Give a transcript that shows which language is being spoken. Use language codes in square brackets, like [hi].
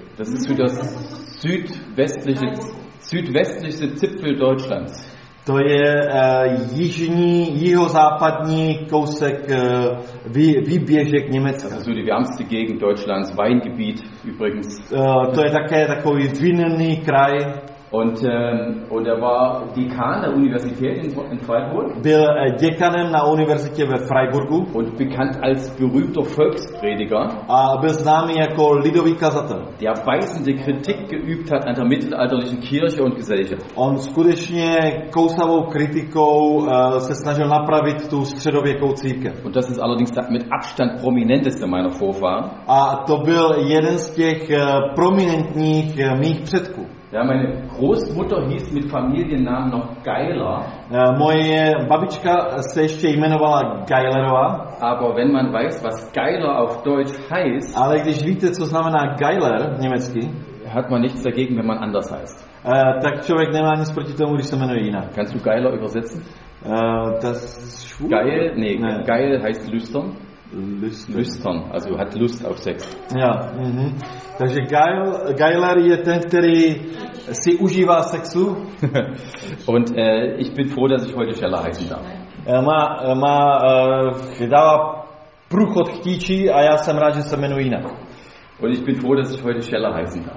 [de] Das ist für das südwestlichste Zipfel Deutschlands. [cs] To je jižní, jihozápadní kousek výběžek Německa. [de] Das ist so die wärmste Gegend Deutschlands, Weingebiet übrigens. [cs] To je také takový vinný kraj. [de] Und er war Dekan der Universität in Freiburg. [cs] Byl děkanem na univerzitě ve Freiburgu. [de] Und bekannt als berühmter Volksprediger. [cs] A byl známý jako lidový kazatel. [de] Der beißende Kritik geübt hat an der mittelalterlichen Kirche und Gesellschaft. [cs] On skutečně kousavou kritikou se snažil napravit tu středověkou církev. [de] Und das ist allerdings mit Abstand prominenteste meiner Vorfahren. [cs] A to byl jeden z těch prominentních mých předků. [de] Ja, meine Großmutter hieß mit Familiennamen noch Geiler. [cs] Moje babička se ještě jmenovala Geilerová. [de] Aber wenn man weiß, was Geiler auf Deutsch heißt, [cs] ale když víte, co znamená Geiler v německy, [de] hat man nichts dagegen, wenn man anders heißt. [cs] Tak člověk nemá nic proti tomu, když se jmenuje jinak. [de] Kannst du Geiler übersetzen? Das schwul? Geil, nee, Geil heißt lüstern. Lüstern, also hat Lust auf Sex. [cs] Ja, Takže Geiler je ten, který si užívá sexu. [de] Und ich bin froh, dass ich heute Scheller heißen darf. [cs] Dává průchod chtíči a já jsem rád, že se jmenuji jinak. [de] Und ich bin froh, dass ich heute Scheller heißen darf.